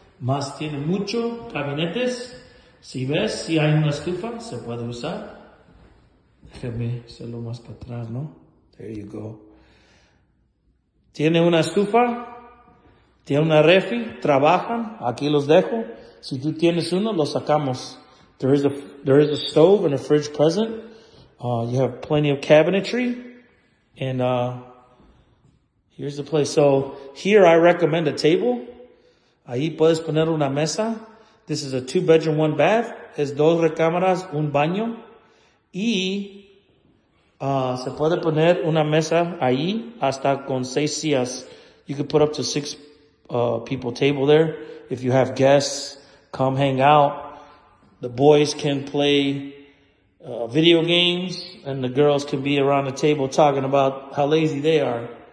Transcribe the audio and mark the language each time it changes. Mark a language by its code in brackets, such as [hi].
[es] Más tiene mucho, gabinetes. Si ves, si hay una estufa, se puede usar. Déjame hacerlo más para atrás, ¿no? [en] There you go. [es] Tiene una estufa, tiene una refri, trabajan, aquí los dejo. Si tú tienes uno, lo sacamos. [en] There is a stove and a fridge present. You have plenty of cabinetry. And here's the place. So here I recommend a table. [es] Ahí puedes poner una mesa. [en] This is a two bedroom, one bath. [es] Es dos recámaras, un baño. Y se puede poner una mesa ahí hasta con seis sillas. [en] You could put up to six people table there. If you have guests, come hang out. The boys can play video games and the girls can be around the table talking about how lazy they are.